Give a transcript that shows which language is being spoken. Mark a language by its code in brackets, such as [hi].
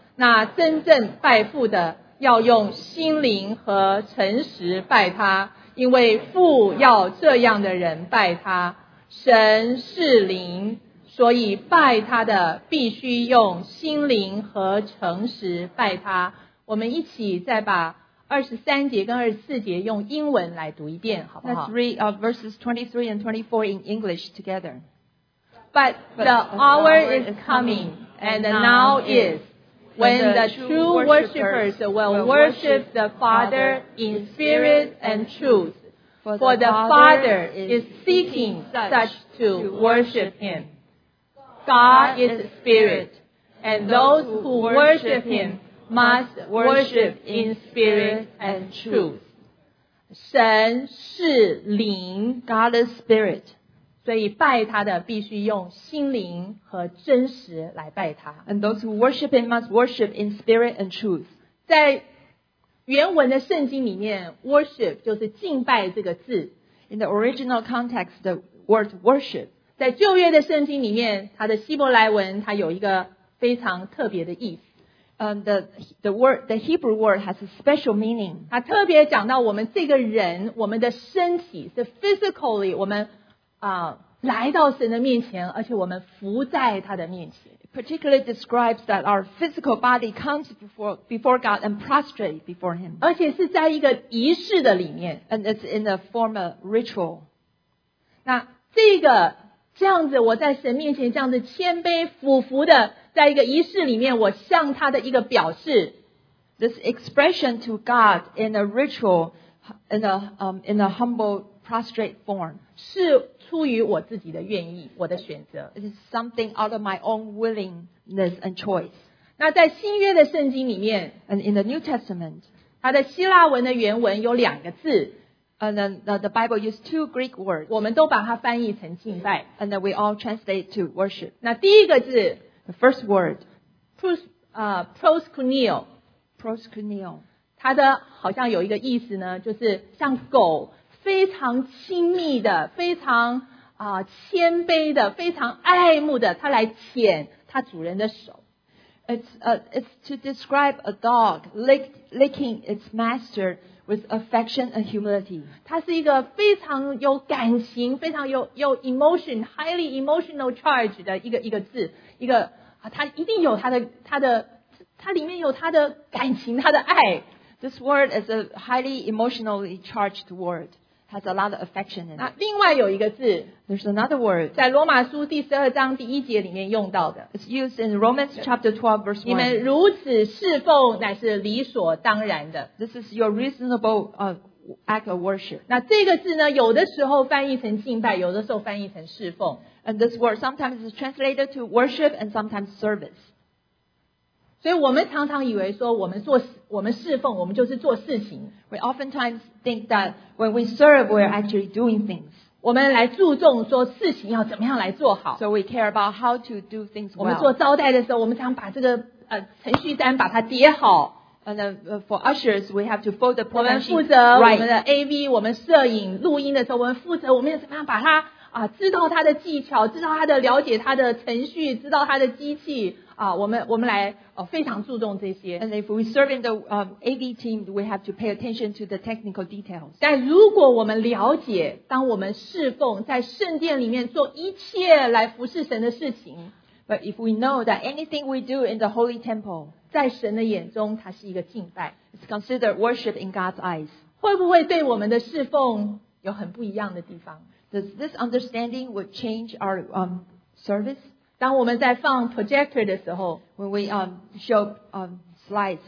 [zh] 那真正拜父的，要用心灵和诚实拜他，因为父要这样的人拜他。神是灵，所以拜他的必须用心灵和诚实拜他。我们一起再把23节跟24节用英文来读一遍，好不好？ [en] Let's read verses 23 and 24 in English together. But the hour is coming, and now is, when the true worshippers will worship the Father in spirit and truth, for the Father is seeking such to worship Him. God is spirit, and those who worship HimMust worship in spirit and truth. [zh] 神是灵， [en] God is spirit. [zh] 所以拜他的必须用心灵和真实来拜他。 [en] And those who worship him must worship in spirit and truth. [zh] 在原文的圣经里面 worship 就是敬拜这个字。 [en] In the original context, the word worship. [zh] 在旧约的圣经里面，它的希伯来文它有一个非常特别的意思。 [en] The Hebrew word has a special meaning. [zh] 它特别讲到我们这个人，我们的身体是 physically 我们来到神的面前，而且我们伏在他的面前。 [en] Particularly describes that our physical body comes before God and prostrate before Him. [zh] 而且是在一个仪式的里面。 [en] And it's in the form of ritual. [zh] 那这个这样子，我在神面前这样子谦卑俯伏的，在一个仪式里面，我向他的一个表示。 [en] This expression to God in a ritual, in a humble prostrate form. [zh] 是出于我自己的愿意，我的选择。 [en] It is something out of my own willingness and choice. [zh] 那在新约的圣经里面 [en] ，and in the New Testament, [zh] 它的希腊文的原文有两个字。 [en] And then the Bible used two Greek words. [zh] 我们都把它翻译成敬拜。 [en] And then we all translate to worship. [zh] 那第一个字 [en] ，the first word, [el] proskuneo. [zh] 它的好像有一个意思呢，就是像狗，非常亲密的，非常谦卑的，非常爱慕的，它来舔它主人的手。 [en] It's to describe a dog licking its master with affection and humility. [zh] 它是一个非常有感情，非常有 [en] emotion, highly emotional charge [zh] 的一个字，一个它一定有它的它里面有它的感情，它的爱。 [en] This word is a highly emotionally charged word. Has a lot of affection in it. [zh] 那另外有一个字 [en] ，There's another word. [zh] 在罗马书第十二章第一节里面用到的 [en] ，It's used in Romans chapter 12 verse 1. [zh] 你们如此侍奉乃是理所当然的。 [en] This is your reasonable act of worship. [zh] 那这个字呢，有的时候翻译成敬拜，有的时候翻译成侍奉。 [en] And this word sometimes is translated to worship and sometimes service. [zh] 所以我们常常以为说我们侍奉，我们就是做事情。 [en] We oftentimes think that when we serve, we're actually doing things. [zh] 我们来注重说事情要怎么样来做好。 [en] So we care about how to do things well. [zh] 我们做招待的时候，我们常把这个程序单把它叠好。 [en] And then for ushers, we have to fold the program sheet. [zh] 我们负责我们的 AV, 我们摄影录音的时候，我们负责我们要怎么样把它知道它的技巧，知道它的了解它的程序，知道它的机器。我们来非常注重这些。 [en] And if we serve in the AV team, we have to pay attention to the technical details. [zh] 但如果我们了解，当我们侍奉在圣殿里面做一切来服侍神的事情 [en] ，But if we know that anything we do in the holy temple, [zh] 在神的眼中它是一个敬拜 [en] ，It's considered worship in God's eyes. [zh] 会不会对我们的侍奉有很不一样的地方 [en] ？Does this understanding would change our service? [zh] 当我们在放 projector 的时候 [en] ，when we show slides，